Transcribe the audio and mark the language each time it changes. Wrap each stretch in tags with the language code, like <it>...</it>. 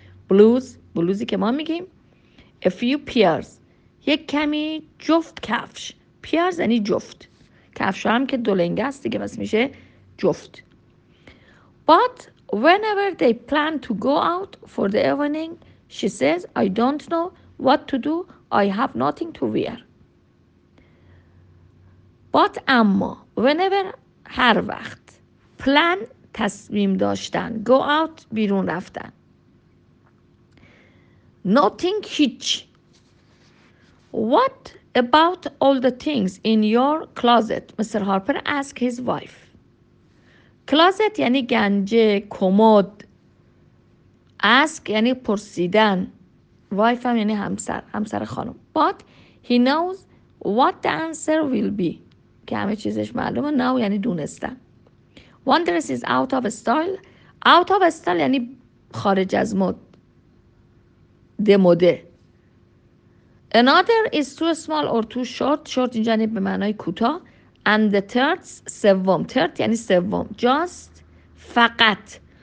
<fa>Blouse بلوزی که ما میگیم.</fa> <en>A few pairs.</en> <fa>یک کمی جفت کفش. Pairs یعنی جفت. کفش هم که دولنگه است دیگه بس میشه جفت.</fa> <en>But whenever they plan to go out for the evening, she says, I don't know what to do. I have nothing to wear.</en> <fa>But اما whenever هر وقت plan تصمیم داشتن.</fa> <en>Go out</en> <fa>بیرون رفتن. Nothing هیچ.</fa> <en>What About all the things in your closet, Mr. Harper asked his wife. Closet</en> <fa>یعنی گنجه، کمد. Ask یعنی پرسیدن. Wife هم یعنی همسر، همسر خانم.</fa> <en>But he knows what the answer will be.</en> <fa>که همه چیزش معلومه،</fa> <en>now</en> <fa>یعنی دونستن.</fa> <en>One dress is out of style. Out of style</en> <fa>یعنی خارج از مد.</fa> <en>دموده. Another is too small or too short.</en> <fa>Short اینجا به معنای کوتاه.</fa> <en>And the third, سوم. Third</en> <fa>یعنی سوم.</fa> <en>Just, فقط.</en>